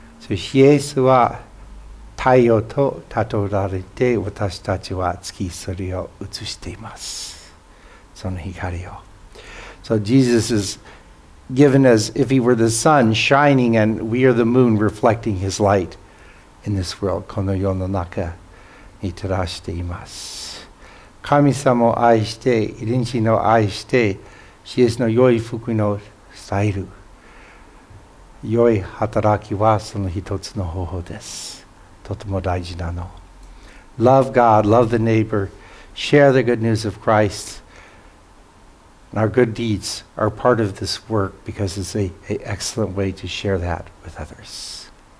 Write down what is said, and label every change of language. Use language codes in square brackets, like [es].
[ja] イエスは太陽と例えられて私たちは月それを映しています。その光を。 [en] So Jesus is given as if he were the sun shining and we are the moon reflecting his light in this world. [ja] この世の中に照らしています。神様を愛して、隣人を愛して、イエスの良い福音を伝える。良い働きはその一つの方法です。とても大事なの。 [en] Love God, love the neighbor, share the good news of Christ. And our good deeds are part of this work because it's an excellent way to share that with others.